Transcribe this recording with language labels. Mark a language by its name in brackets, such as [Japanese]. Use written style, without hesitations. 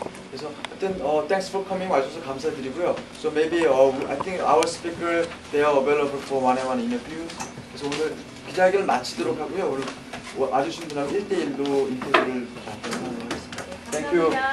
[Korean] 그래서 하여튼 [English] thanks for coming [Korean] 와주셔서 감사드리고요. [English] So maybe I think our speaker they are available for one-on-one interviews. [Korean] 그래서 오늘 기자회견을 마치도록 하고요. 오늘 와주신 분하고 1대1로 인터뷰를 받도록 하겠습니다. [English] Thank you.